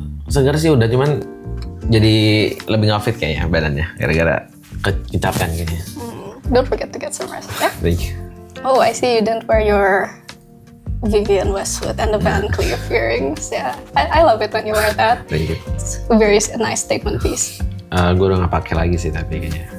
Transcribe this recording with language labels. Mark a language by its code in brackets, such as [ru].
[id] Segar sih udah, cuman jadi lebih gak fit kayaknya badannya. Gara-gara kecapean kayaknya. [en] Don't forget to get some rest. Yeah? Thank you. Oh, I see you didn't wear your Vivian Westwood and the Van Cleef earrings. Yeah, I love it when you wear that. Thank you. It's a very nice statement piece. [id] Gue udah nggak pakai lagi sih tapi kayaknya.